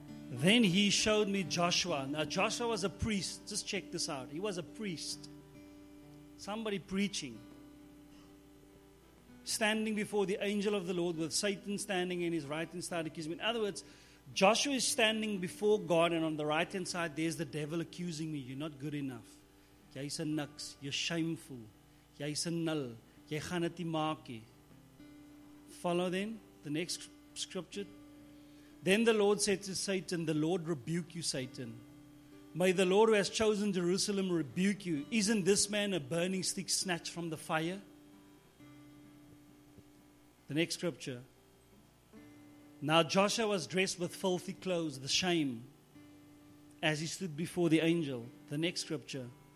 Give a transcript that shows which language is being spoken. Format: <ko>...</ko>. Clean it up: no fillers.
<en>Then he showed me Joshua. Now Joshua was a priest. Just check this out. He was a priest. Somebody preaching. Standing before the angel of the Lord with Satan standing in his right hand side accusing me. In other words, Joshua is standing before God and on the right hand side there's the devil accusing me. You're not good enough.</en> <af>Jy's 'n niks,</af> <en>you're shameful,</en> <af>jy's 'n nul, jy gaan dit nie maak nie.</af> <en>Follow then, the next scripture. Then the Lord said to Satan, the Lord rebuke you, Satan. May the Lord who has chosen Jerusalem rebuke you. Isn't this man a burning stick snatched from the fire? The next scripture. Now Joshua was dressed with filthy clothes, the shame, as he stood before the angel. The next scripture.</en>